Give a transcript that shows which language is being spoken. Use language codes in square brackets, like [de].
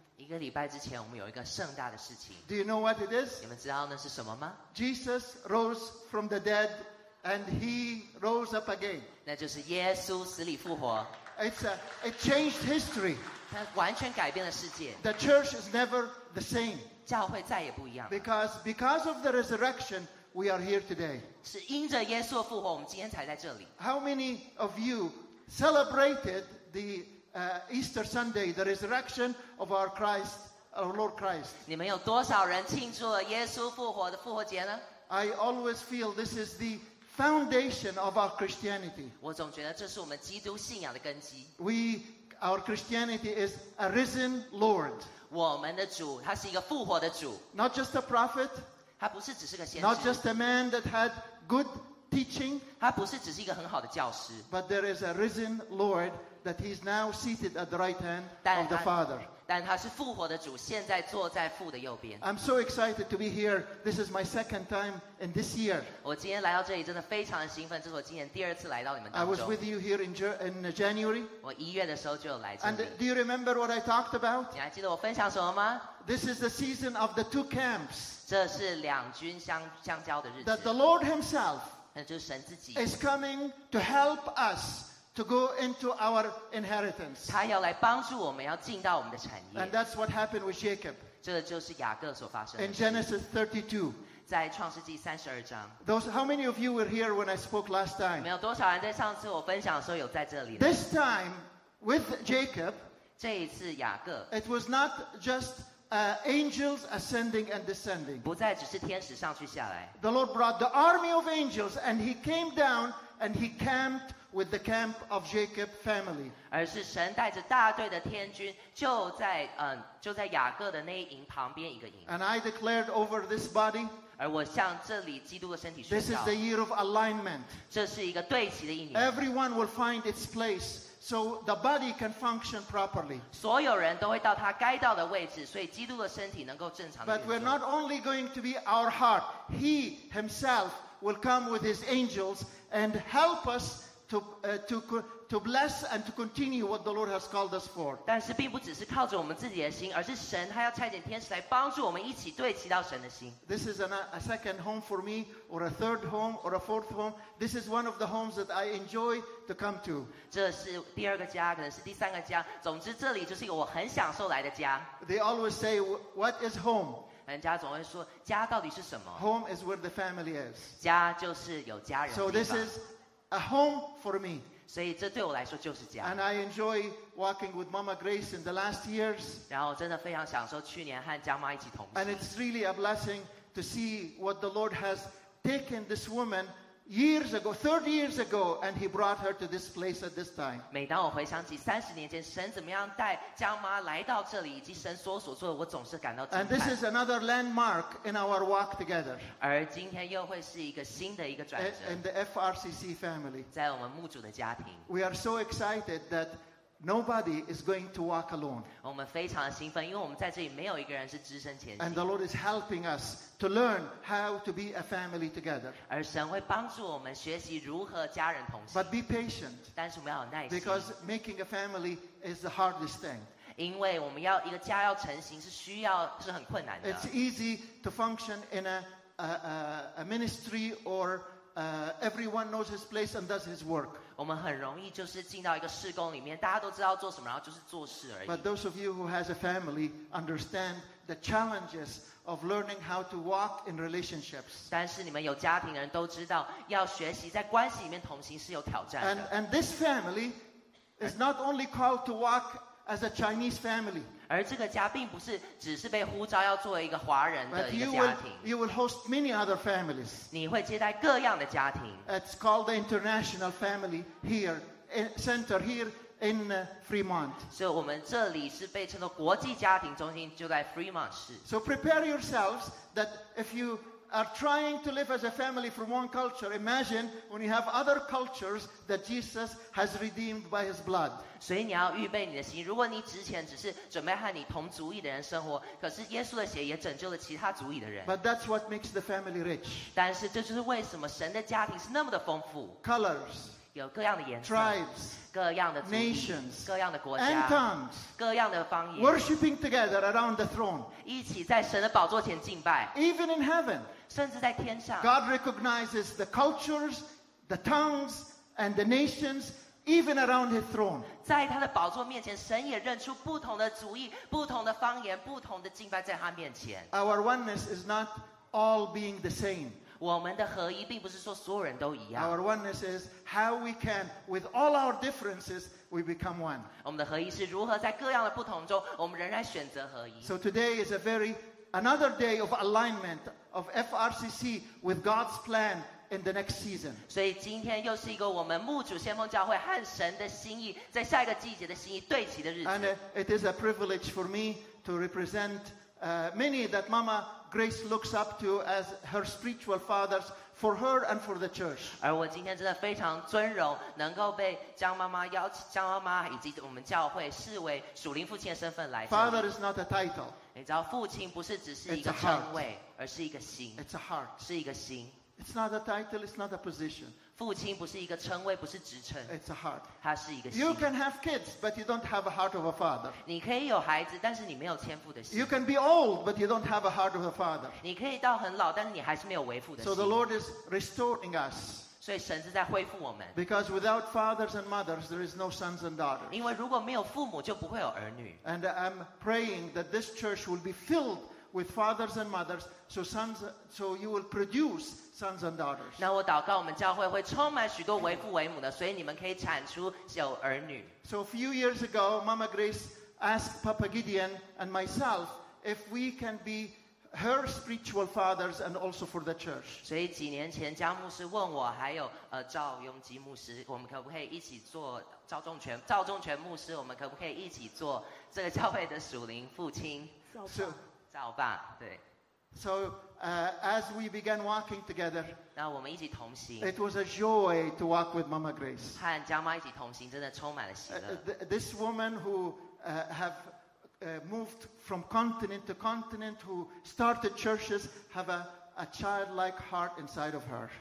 [zh] 一个礼拜之前，我们有一个盛大的事情。 [en] Do you know what it is? [zh] 你们知道那是什么吗 [en] ？Jesus rose from the dead, and he rose up again. [zh] 那就是耶稣死里复活。 [en] It changed history. [zh] 它完全改变了世界。 [en] The church is never the same. [zh] 教会再也不一样。 [en] Because of the resurrection. We are here today. [zh] 是因着耶稣的复活，我们今天才在这里。 [en] How many of you celebrated the Easter Sunday, the resurrection of our Christ, our Lord Christ? [zh] 你们有多少人庆祝了耶稣复活的复活节呢 [en] ？I always feel this is the foundation of our Christianity. [zh] 我总觉得这是我们基督信仰的根基。 [en] Our Christianity is a risen Lord. [zh] 我们的主，他是一个复活的主。 [en] Not just a prophet. [zh] 他不是只是个先知 [en] Not just a man that had good teaching, [zh] 他不是只是一个很好的教师 [en] But there is a risen Lord that he's now seated at the right hand of the Father. [zh] 但他是复活的主现在坐在父的右边 [en] I'm so excited to be here. This is my second time in this year. [zh] 我今天来到这里真的非常兴奋这是我今年第二次来到你们当中 [en] I was with you here in January. [zh] 我一月的时候就有来这里 [en] And do you remember what I talked about? [zh] 你还记得我分享什么吗 [en] This is the season of the two camps. [zh] 这是两军相交的日子。 [en] That the Lord Himself [zh] 那就是神自己 [en] is coming to help us to go into our inheritance. [zh] 他要来帮助我们要进到我们的产业。 [en] And that's what happened with Jacob. [zh] 这就是雅各所发生的。 [en] In Genesis 32, [zh] 在创世纪三十二章。 [en] Those how many of you were here when I spoke last time? [zh] 没有多少人在上次我分享的时候有在这里。 [en] This time with Jacob, [zh] 这一次雅各 [en] it was not just. Angels ascending and descending. [zh] 不再只是天使上去下来。 [en] The Lord brought the army of angels, and he came down and he camped with the camp of Jacob's family. [zh] 而是神带着大队的天军，就在雅各的那一营旁边一个营。 [en] And I declared over this body. [zh] 而我向这里基督的身体宣告。 [en] This is the year of alignment. [zh] 这是一个对齐的一年。 [en] Everyone will find its place. So the body can function properly. [zh] 所有人都会到他该到的位置，所以基督的身体能够正常的运作。 [en] But we're not only going to be our heart. He himself will come with his angels and help us to bless and to continue what the Lord has called us for. [zh] 但是并不只是靠着我们自己的心，而是神他要差遣天使来帮助我们一起对齐到神的心。 [en] This is a second home for me, or a third home, or a fourth home. This is one of the homes that I enjoy to come to. [zh] 这是第二个家，可能是第三个家。总之，这里就是一个我很享受来的家。 [en] They always say, "What is home?" [zh] 人家总会说，家到底是什么 [en] ？Home is where the family is. [zh] 家就是有家人的地方。 [en] So this is a home for me. [zh] 所以这对我来说就是家。 [en] And I enjoy walking with Mama Grace in the last years. [zh] 然后真的非常享受去年和江妈一起同行。 [en] And it's really a blessing to see what the Lord has taken this woman years ago, 30 years ago, and He brought her to this place at this time. [zh] 每当我回想起三十年前神怎么样带江妈来到这里，以及神所做的，我总是感到惊叹。 [en] And this is another landmark in our walk together. [zh] 而今天又会是一个新的一个转折。 [en] In the FRCC family, [zh] 在我们牧主的家庭 [en] ，we are so excited that nobody is going to walk alone. [zh] 我们非常兴奋，因为我们在这里没有一个人是只身前行。 [en] And the Lord is helping us. To learn how to be a family together. [zh] 而神会帮助我们学习如何家人同行。 [en] But be patient. [zh] 但是我们要有耐心。 [en] Because making a family is the hardest thing. [zh] 因为我们要一个家要成型是需要是很困难的。 [en] It's easy to function in a ministry or everyone knows his place and does his work. [zh] 我们很容易就是进到一个事工里面，大家都知道做什么，然后就是做事而已。 [en] But those of you who has a family understand the challenges. Of learning how to walk in relationships. [zh] 但是你们有家庭的人都知道，要学习在关系里面同行是有挑战的。 [en] And this family is not only called to walk as a Chinese family. [zh] 而这个家并不是只是被呼召要作为一个华人的一个家庭。 [en] You will host many other families. [zh] 你会接待各样的家庭。 [en] It's called the international family here, center here. In Fremont. So, [zh] 我们这里是被称作国际家庭中心，就在 Fremont 市。 [en] So, prepare yourselves that if you are trying to live as a family from one culture, imagine when you have other cultures that Jesus has redeemed by His blood. [zh] 所以你要预备你的心。如果你之前只是准备和你同族裔的人生活，可是耶稣的血也拯救了其他族裔的人。 [en] But that's what makes the family rich. [zh] 但是这就是为什么神的家庭是那么的丰富。 [en] Colors. [zh] 有各样的颜色 [en] tribes, [zh] 各样的族群 [en] nations, [zh] 各样的国家 [en] and tongues, [zh] 各样的方言 [en] worshiping together around the throne, [zh] 一起在神的宝座前敬拜 [en] even in heaven, [zh] 甚至在天上 [en] God recognizes the cultures, the tongues, and the nations even around his throne. [zh] 在他的宝座面前神也认出不同的族裔不同的方言不同的敬拜在他面前 [en] Our oneness is not all being the same. [zh] 我们的合一并不是说所有人都一样。 [en] Our oneness is how we can, with all our differences, we become one. [zh] 我们的合一是如何在各样的不同中，我们仍然选择合一。 [en] So today is another day of alignment of FRCC with God's plan in the next season. [zh] 所以今天又是一个我们牧主先锋教会和神的心意在下一个季节的心意对齐的日子。 [en] And it is a privilege for me to represent many that Mama. Grace looks up to as her spiritual fathers for her and for the church. [zh] 而我今天真的非常尊荣，能够被江妈妈邀请，江妈妈以及我们教会视为属灵父亲的身份来。 [en] Father is not a title. [zh] 你知道，父亲不是只是一个称谓，而是一个心。 [en] It's a heart. [zh] 是一个心。 [en] It's not a title. It's not a position. [zh] 父亲不是一个称谓，不是职称。 [en] It's a heart. [zh] 它是一个心。 [en] You can have kids, but you don't have a heart of a father. [zh] 你可以有孩子，但是你没有天父的心。 [en] You can be old, but you don't have a heart of a father. [zh] 你可以到很老，但是你还是没有为父的心。 [en] So the Lord is restoring us. [zh] 所以神是在恢复我们。 [en] Because without fathers and mothers, there is no sons and daughters. [zh] 因为如果没有父母，就不会有儿女。 [en] And I'm praying that this church will be filled. With fathers and mothers, so you will produce sons and daughters. [zh] 那我祷告我们教会会充满许多为父为母的，所以你们可以产出有儿女。 [en] So a few years ago, Mama Grace asked Papa Gideon and myself if we can be her spiritual fathers and also for the church. [zh] 所以几年前，江牧师问我，还有赵永吉牧师，我们可不可以一起做赵仲全牧师，我们可不可以一起做这个教会的属灵父亲？是。照吧，对。 [en] So, as we began walking together, [zh] 那我们一起同行。 [en] It was a joy to walk with Mama Grace. [zh] 和江妈一起同行，真的充满了喜乐。 [en] This woman who have moved from continent to continent, who started churches, have a childlike heart inside of her.